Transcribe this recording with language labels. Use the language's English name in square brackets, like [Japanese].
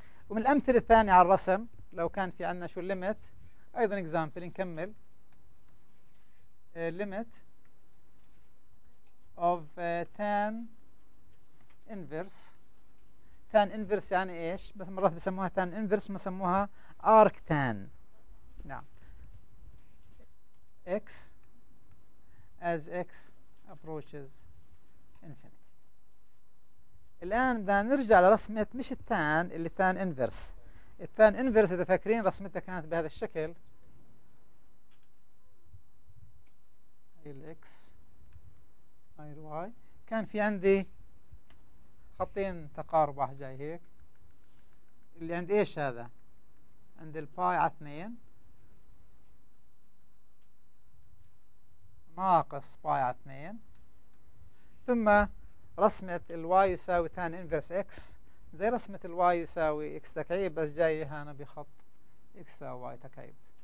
[Arabic] ومن الأمثلة الثانية على الرسم لو كان في عندنا شو limit, أيضاً example نكمل limit of tan inverse. tan inverse يعني ايش؟ بس مرات بسموها tan inverse بسموها arc tan. نعم. [English] x as x approaches infinity. [Arabic] الان بدنا نرجع لرسمة مش التان اللي tan inverse. التان inverse اذا فاكرين رسمتها كانت بهذا الشكل. هاي الx هاي الy. كان في عندي حاطين تقارب واحد جاي هيك اللي عند ايش هذا؟ عند الباي على 2 ناقص باي على 2 ثم رسمة الواي يساوي تان انفرس اكس زي رسمة الواي يساوي اكس تكعيب بس جاي هنا بخط اكس يساوي واي تكعيب.